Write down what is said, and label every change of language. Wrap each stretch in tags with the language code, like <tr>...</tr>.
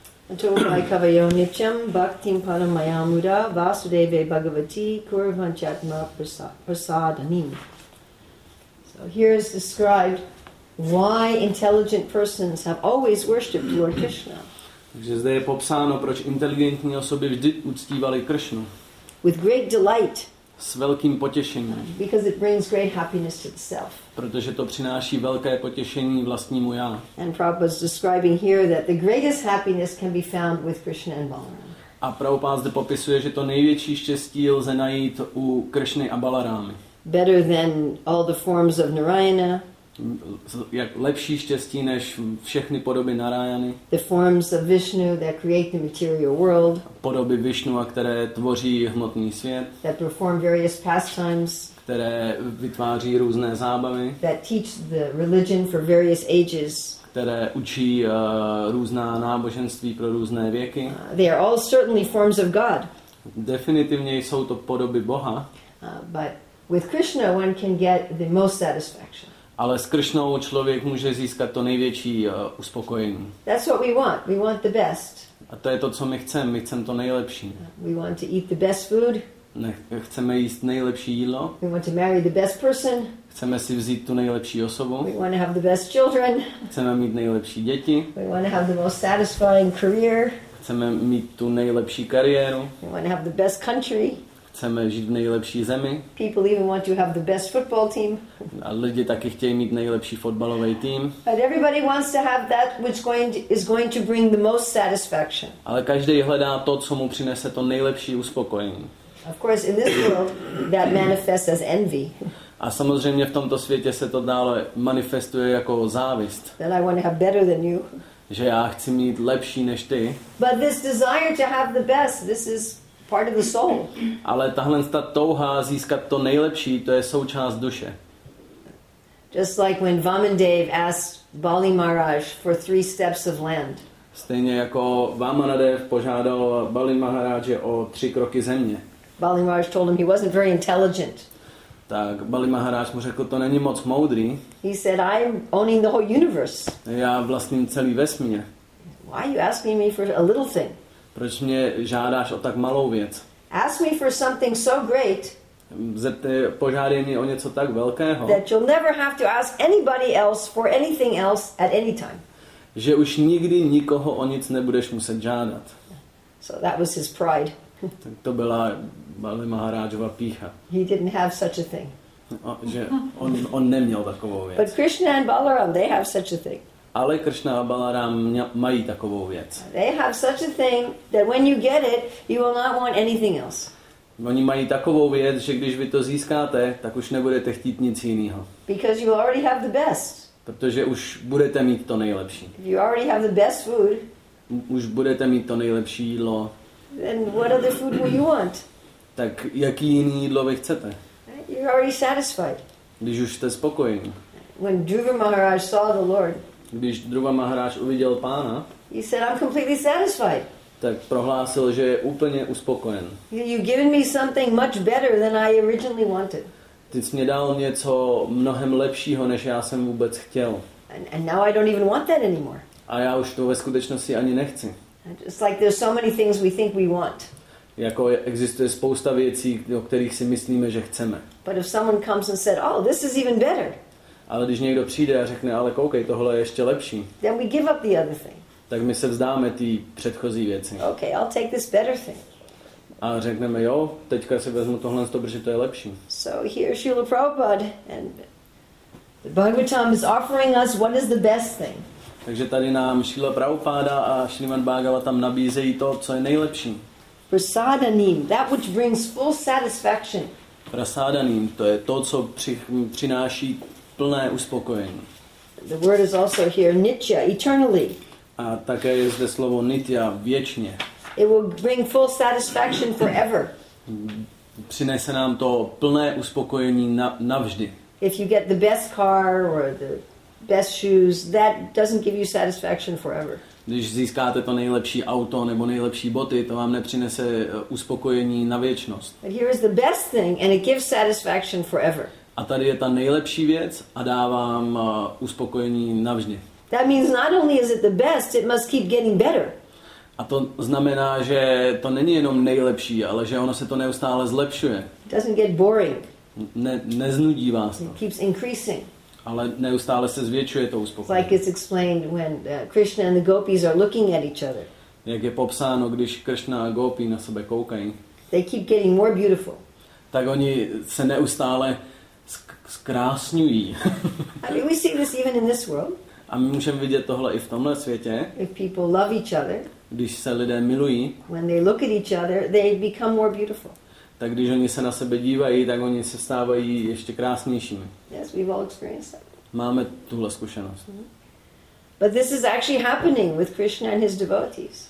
<sa>Antomai kavayonicham bhaktim panamayamuda vasudeve bhagavati kurvanchatma prasadanim.</sa> <en>So here is described why intelligent persons have always worshipped Lord Krishna.</en> <cs>Takže zde je popsáno, proč inteligentní osoby vždy uctívali Kršnu.</cs> <en>With great delight.</en> <cs>S velkým potěšením.</cs> <en>Because it brings great happiness to the self.</en> <cs>Protože to přináší velké potěšení vlastnímu já.</cs> <en>And Prabhupada is describing here that the greatest happiness can be found with Krishna and Balarama.</en> <cs>A Prabhupada zde popisuje, že to největší štěstí lze najít u Kršny a Balarámy.</cs> <en>Better than all the forms of Narayana.</en> <cs>Jak lepší štěstí než všechny podoby Narayany.</cs> <en>The forms of Vishnu that create the material world.</en> <cs>Podoby Vishnu, které tvoří hmotný svět.</cs> <en>That perform various pastimes.</en> <cs>Které vytváří různé zábavy.</cs> <en>That teach the religion for various ages.</en> <cs>Které učí různá náboženství pro různé věky.</cs> <en>They are all certainly forms of God.</en> <cs>Definitivně jsou to podoby Boha.</cs> <en>But with Krishna one can get the most satisfaction.</en> <cs>Ale s Kršnou člověk může získat to největší uspokojení.</cs> <en>That's what we want. We want the best.</en> <cs>A to je to, co my chceme. My chceme to nejlepší.</cs> <en>We want to eat the best food.</en> <cs>Chceme jíst nejlepší jídlo.</cs> <en>We want to marry the best person.</en> <cs>Chceme si vzít tu nejlepší osobu.</cs> <en>We want to have the best children.</en> <cs>Chceme mít nejlepší děti.</cs> <en>We want to have the most satisfying career.</en> <cs>Chceme mít tu nejlepší kariéru.</cs> <en>We want to have the best country.</en> <cs>Chceme žít v nejlepší zemi.</cs> <en>People even want to have the best football team.</en> <cs>A lidi taky chtějí mít nejlepší fotbalový tým.</cs> <en>But everybody wants to have that which is going to bring the most satisfaction.</en> <cs>Ale každý hledá to, co mu přinese to nejlepší uspokojení.</cs> <en>Of course, in this world, that manifests as envy.</en> <cs>A samozřejmě v tomto světě se to dále manifestuje jako závist.</cs> <en>That I want to have better than you.</en> <cs>Že já chci mít lepší než ty.</cs> <en>But this desire to have the best, this is part of the soul.</en> <cs>Ale tahle ta touha získat to nejlepší, to je součást duše.</cs> <en>Just like when Vamandev asked Bali Maharaj for 3 steps of land.</en> <cs>Stejně jako Vamanadev požádal Bali Maharaje o 3 kroky země.</cs> <en>Bali Maharaj told him he wasn't very intelligent.</en> <cs>Tak Bali Maharaj mu řekl, to není moc moudrý.</cs> <en>He said, I'm owning the whole universe.</en> <cs>Já vlastním celý vesmír.</cs> <en>Why are you asking me for a little thing?</en> <cs>Proč mě žádáš o tak malou věc?</cs> <en>Ask me for something so great.</en> <cs>Požádej mě o něco tak velkého.</cs> <en>That you'll never have to ask anybody else for anything else at any time.</en> <cs>Že už nikdy nikoho o nic nebudeš muset žádat.</cs> <en>So that was his pride.</en> <cs>Tak to byla Bali Maharajova pýcha.</cs> <en>He didn't have such a thing.</en> <cs>Že on neměl takovou věc.</cs> <en>But Krishna and Balaram, they have such a thing.</en> <cs>Ale Kršna a Balarám mají takovou věc.</cs> <en>They have such a thing that when you get it, you will not want anything else.</en> <cs>Oni mají takovou věc, že když vy to získáte, tak už nebudete chtít nic jiného.</cs> <en>Because you already have the best.</en> <cs>Protože už budete mít to nejlepší.</cs> <en>You already have the best food.</en> <cs>Už budete mít to nejlepší jídlo.</cs> <en>Then what other food will you want?</en> <cs>Tak jaký jiný jídlo vy chcete?</cs> <en>You're already satisfied.</en> <cs>Když už jste spokojení.</cs> <en>When Dhruva Maharaj saw the Lord.</en> <cs>Když Dhruva Maharaj uviděl pána,</cs> <en>he said, I'm completely satisfied.</en> <cs>Tak prohlásil, že je úplně uspokojen.</cs> <en>You've given me something much better than I originally wanted.</en> <cs>Ty jsi mě dal něco mnohem lepšího, než já jsem vůbec chtěl.</cs> <en>And now I don't even want that anymore.</en> <cs>A já už to ve skutečnosti ani nechci.</cs> <en>It's like there's so many things we think we want.</en> <cs>Jako existuje spousta věcí, o kterých si myslíme, že chceme.</cs> <en>But if someone comes and said, oh, this is even better.</en> <cs>Ale když někdo přijde a řekne, ale koukej, tohle je ještě lepší.</cs> <en>Then we give up the other thing.</en> <cs>Tak my se vzdáme té předchozí věci.</cs> <en>Okay, I'll take this better thing.</en> <cs>A řekneme, jo, teďka si vezmu tohle, protože to je lepší.</cs> <en>So here Srila Prabhupada and the Bhagavatam is offering us what is the best thing.</en> <cs>Takže tady nám Srila Prabhupada a Srimad Bhagavatam nabízejí to, co je nejlepší.</cs> <en>Prasadanim, that which brings full satisfaction.</en> <cs>Prasadanim, to je to, co přináší plné uspokojení.</cs> <en>The word is also here nitya, eternally.</en> <cs>A také je zde slovo nitya věčně.</cs> <en>It will bring full satisfaction forever.</en> <cs>Přinese nám to plné uspokojení navždy.</cs> <en>If you get the best car or the best shoes, that doesn't give you satisfaction forever.</en> <cs>Když získáte to nejlepší auto nebo nejlepší boty, to vám nepřinese uspokojení na věčnost.</cs> <en>But here is the best thing and it gives satisfaction forever.</en> <cs>A tady je ta nejlepší věc a dá vám uspokojení navždy.</cs> <en>That means not only is it the best, it must keep getting better.</en> <cs>A to znamená, že to není jenom nejlepší, ale že ono se to neustále zlepšuje.</cs> <en>It doesn't get boring.</en> <cs>Neznudí vás to.</cs> <en>It keeps increasing.</en> <cs>Ale neustále se zvětšuje to uspokojení.</cs> <en>Like it's explained when Krishna and the gopis are looking at each other.</en> <cs>Jak je popsáno, když Krishna a gopi na sebe koukají.</cs> <en>They keep getting more beautiful.</en> <cs>Tak oni se neustále zkrásňují.</cs> <en>I mean, we see this even in this world.</en> <cs>A my můžeme vidět tohle i v tomhle světě.</cs> <en>If people love each other,</en> <cs>když se lidé milují,</cs> <en>when they look at each other, they become more beautiful.</en> <cs>Tak když oni se na sebe dívají, tak oni se stávají ještě krásnějšími.</cs> <en>Yes, we've all experienced that.</en> <cs>Máme tuhle zkušenost.</cs> <en>But this is actually happening with Krishna and his devotees.</en>